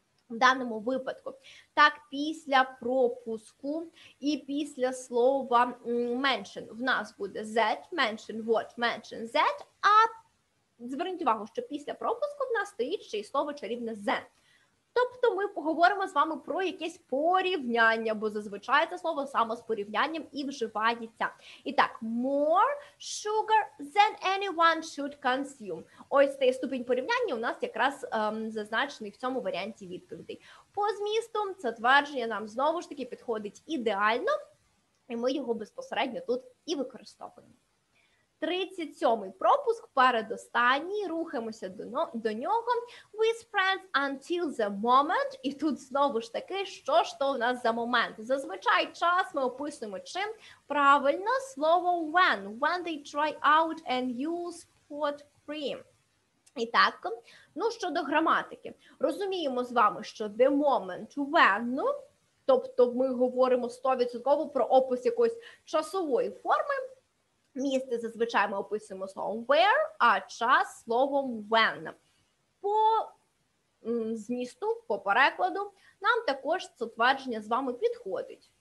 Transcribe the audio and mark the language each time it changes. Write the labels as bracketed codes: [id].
[uk] В даному випадку. Так, після пропуску і після слова mention в нас буде that, mention what, mention that, а зверніть увагу, що після пропуску в нас стоїть ще й слово чарівне then. Тобто ми поговоримо з вами про якесь порівняння, бо зазвичай це слово саме з порівнянням і вживається. І так, [en] more sugar than anyone should consume. [uk] Ось цей ступінь порівняння у нас якраз зазначений в цьому варіанті відповідей. По змісту це твердження нам знову ж таки підходить ідеально, і ми його безпосередньо тут і використовуємо. 37-й пропуск, передостанній, рухаємося до нього. [en] With friends until the moment. [uk] І тут знову ж таки, що ж то у нас за момент. Зазвичай час ми описуємо чим? Правильно, слово when. [en] When they try out and use spot cream. [uk] І так, ну щодо граматики. Розуміємо з вами, що [en] the moment when, [uk] ну, тобто ми говоримо 100% про опис якоїсь часової форми, місце зазвичай ми описуємо словом where, а час – словом when. По змісту, по перекладу, нам також це твердження з вами підходить.